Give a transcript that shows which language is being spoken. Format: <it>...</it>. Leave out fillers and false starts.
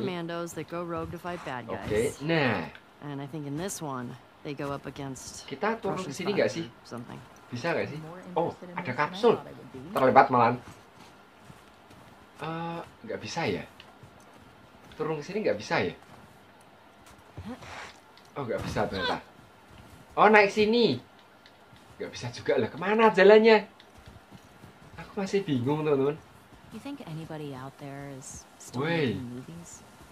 <en>Commandos that go rogue to fight bad guys. Okay, nah. And I think in this one they go up against.</en> <id>Kita turun ke sini enggak sih? Bisa enggak sih? Oh, ada kapsul. Terlibat malahan. Enggak bisa ya? Turun ke sini enggak bisa ya? Oh, enggak bisa ternyata. Oh, naik sini. Enggak bisa juga lah. Kemana jalannya? Aku masih bingung, teman-teman.</id> <en>You think anybody out there is still in movies?</en>